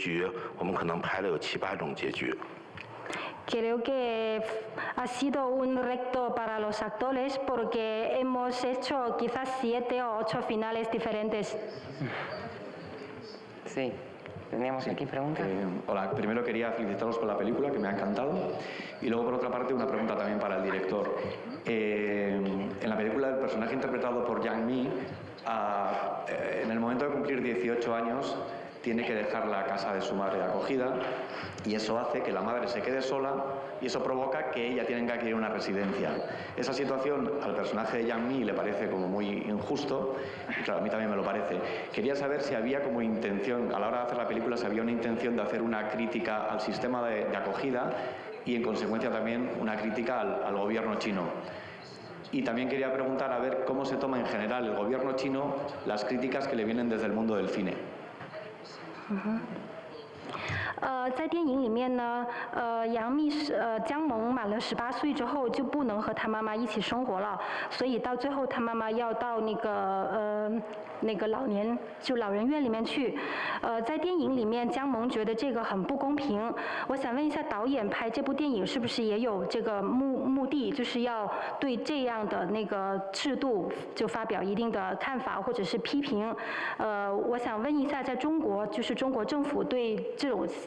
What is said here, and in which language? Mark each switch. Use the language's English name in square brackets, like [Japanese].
[Chinese] 然后呢，我们拍了很多，就是我相信能把演员都拍糊涂了，因为可能，比方说有一个结局，我们可能拍了有七八种结局。 [Spanish] Creo que ha sido un reto para los actores porque hemos hecho quizás 7 o 8 finales diferentes. Sí, teníamos aquí preguntas. Hola, primero quería felicitaros por la película, que me ha encantado. Y luego, por otra parte, una pregunta también para el director. En la película, el personaje interpretado por Yang Mi, en el momento de cumplir 18 años, tiene que dejar la casa de su madre de acogida y eso hace que la madre se quede sola y eso provoca que ella tenga que adquirir una residencia. Esa situación al personaje de Yang Mi le parece como muy injusto, y claro, a mí también me lo parece. Quería saber si había como intención, a la hora de hacer la película, si había una intención de hacer una crítica al sistema de acogida y en consecuencia también una crítica al gobierno chino. Y también quería preguntar a ver cómo se toma en general el gobierno chino las críticas que le vienen desde el mundo del cine. [Chinese] 在电影里面呢，杨幂江萌满了18岁之后就不能和她妈妈一起生活了，所以到最后她妈妈要到那个老年就老人院里面去。在电影里面，江萌觉得这个很不公平。我想问一下，导演拍这部电影是不是也有这个目的，就是要对这样的那个制度就发表一定的看法或者是批评？我想问一下，在中国就是中国政府对这种。